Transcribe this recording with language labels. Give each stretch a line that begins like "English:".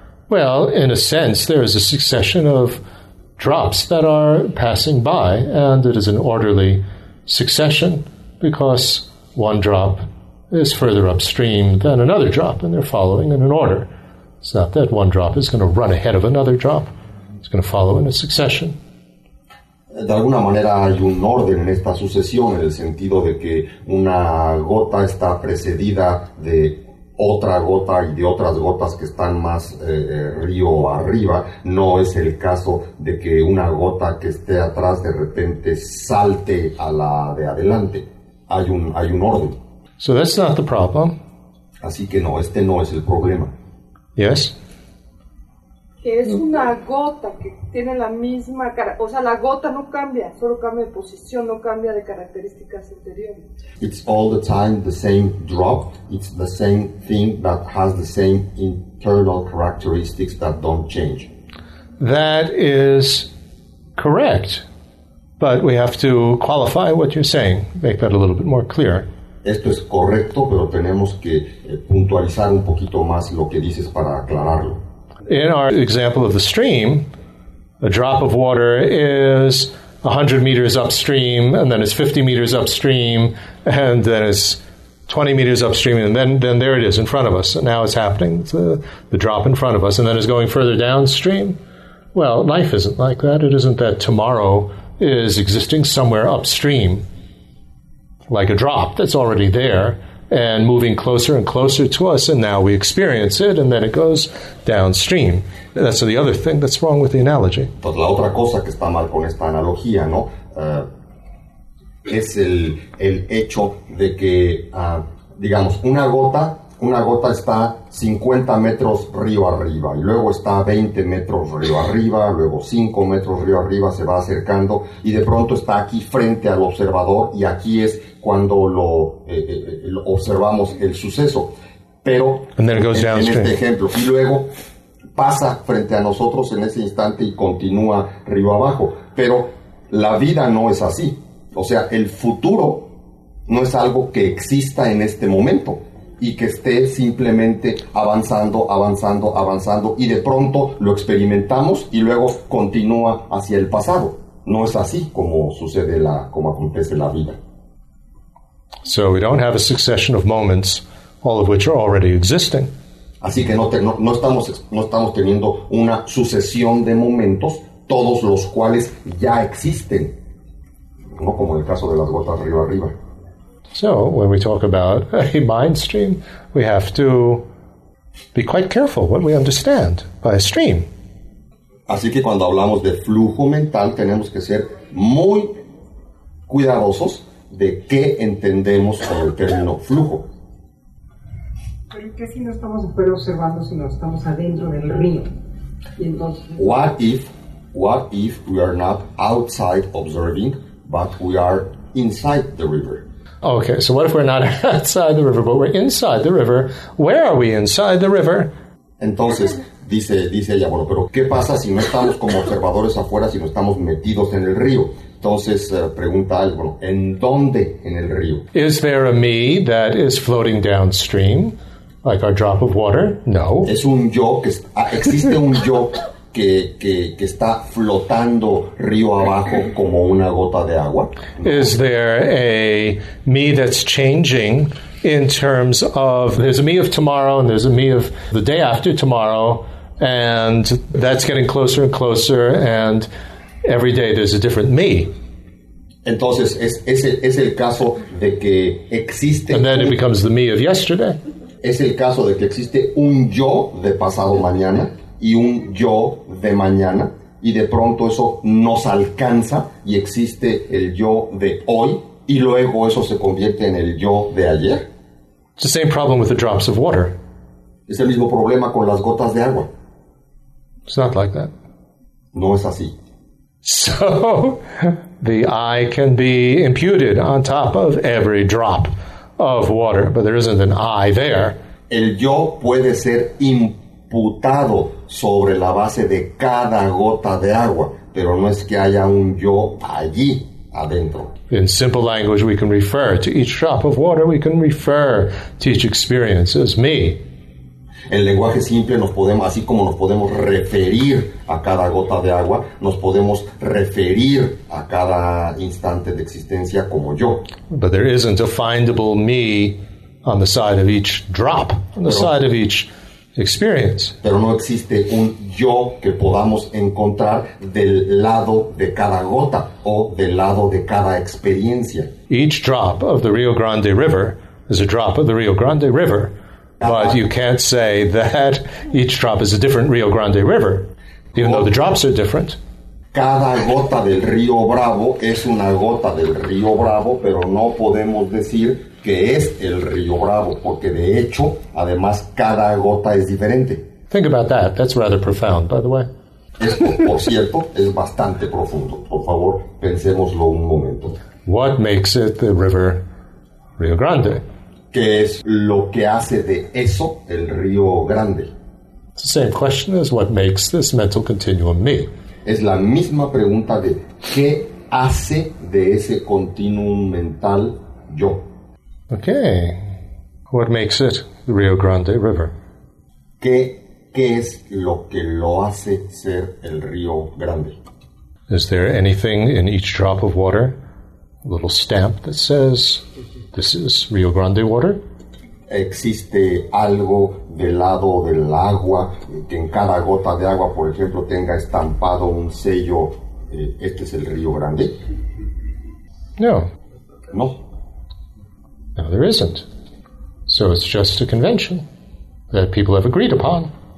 English: Well, in a sense, there is a succession of drops that are passing by, and it is an orderly succession because one drop is further upstream than another drop, and they're following in an order. It's not that one drop is going to run ahead of another drop. It's going to follow in a succession.
Spanish: De alguna manera hay un orden en esta sucesión, en el sentido de que una gota está precedida de otra gota y de otras gotas que están más río arriba. No es el caso de que una gota que esté atrás de repente salte a la de adelante. Hay un orden.
English: So that's not the problem.
Spanish: Así que no, este no es el problema.
English: Yes.
Spanish: Que es una gota que tiene la misma cara, o sea, la gota no cambia, solo cambia de posición, no cambia de características interiores.
English: It's all the time the same drop. It's the same thing that has the same internal characteristics that don't change. That is correct. But we have to qualify what you're saying, make that a little bit more clear.
Spanish: Esto es correcto, pero tenemos que puntualizar un poquito más lo que dices para aclararlo.
English: In our example of the stream, a drop of water is 100 meters upstream, and then it's 50 meters upstream, and then it's 20 meters upstream, and then there it is in front of us. And now it's happening, the drop in front of us, and then it's going further downstream. Well, life isn't like that. It isn't that tomorrow is existing somewhere upstream, like a drop that's already there and moving closer and closer to us, and now we experience it, and then it goes downstream. That's the other thing that's wrong with the analogy.
Spanish: Pues la otra cosa que está mal con esta analogía, ¿no? Es el hecho de que, digamos, una gota está 50 metros río arriba, y luego está 20 metros río arriba, luego 5 metros río arriba, se va acercando, y de pronto está aquí frente al observador, y aquí es cuando lo observamos el suceso. Pero en este ejemplo, y luego pasa frente a nosotros en ese instante y continúa río abajo. Pero la vida no es así. O sea, el futuro no es algo que exista en este momento y que esté simplemente avanzando, avanzando, avanzando, y de pronto lo experimentamos y luego continúa hacia el pasado. No es así como sucede como acontece la vida.
English: So we don't have a succession of moments, all of which are already existing.
Spanish: Así que no estamos teniendo una sucesión de momentos, todos los cuales ya existen. No como en el caso de las gotas río arriba.
English: So, when we talk about a mind stream, we have to be quite careful what we understand by a stream.
Spanish: Así que cuando hablamos de flujo mental, tenemos que ser muy cuidadosos de qué entendemos con el término flujo. Pero ¿qué si no estamos fuera observando, sino estamos adentro del río? Entonces,
English: What if we are not outside observing, but we are inside the river? Okay, so what if we're not outside the river, but we're inside the river? Where are we inside the river?
Spanish: Entonces, dice ella, bueno, pero ¿qué pasa si no estamos como observadores afuera, sino estamos metidos en el río? Entonces, pregunta algo, bueno, ¿en dónde en el río?
English: Is there a me that is floating downstream, like our drop of water? No.
Spanish: Es un yo, existe un yo que está flotando río abajo como una gota de agua.
English: Is there a me that's changing in terms of, there's a me of tomorrow and there's a me of the day after tomorrow, and that's getting closer and closer, and every day there's a different me.
Spanish: Entonces, es el caso de que existe...
English: And then it becomes the me of yesterday.
Spanish: Es el caso de que existe un yo de pasado mañana y un yo de mañana, y de pronto eso nos alcanza y existe el yo de hoy, y luego eso se convierte en el yo de ayer.
English: It's the same problem with the drops of water.
Spanish: Es el mismo problema con las gotas de agua.
English: It's not like that.
Spanish: No es así.
English: So, the I can be imputed on top of every drop of water, but there isn't an I there.
Spanish: El yo puede ser imputado sobre la base de cada gota de agua, pero no es que haya un yo allí adentro.
English: In simple language, we can refer to each drop of water, we can refer to each experience as me.
Spanish: En lenguaje simple, así como nos podemos referir a cada gota de agua, nos podemos referir a cada instante de existencia como yo.
English: But there isn't a findable me on the side of each drop, on the side of each experience.
Spanish: Pero no existe un yo que podamos encontrar del lado de cada gota o del lado de cada experiencia.
English: Each drop of the Rio Grande River is a drop of the Rio Grande River. But you can't say that each drop is a different Rio Grande River, even though the drops are different.
Spanish: Cada gota del Río Bravo es una gota del Río Bravo, pero no podemos decir que es el Río Bravo, porque de hecho, además, cada gota es diferente.
English: Think about that. That's rather profound, by the way.
Spanish: Esto, por cierto, es bastante profundo. Por favor, pensémoslo un momento.
English: What makes it the River Rio Grande?
Spanish: ¿Qué es lo que hace de eso el Río Grande?
English: It's the same question as what makes this mental continuum me.
Spanish: Es la misma pregunta de ¿qué hace de ese continuum mental yo?
English: Okay. What makes it the Rio Grande River?
Spanish: ¿Qué es lo que lo hace ser el Río Grande?
English: Is there anything in each drop of water? A little stamp that says this is Rio Grande water?
Spanish: ¿Existe algo del lado del agua que en cada gota de agua, por ejemplo, tenga estampado un sello, este es el Río Grande?
English: No.
Spanish: No.
English: No, there isn't. So it's just a convention that people have agreed upon.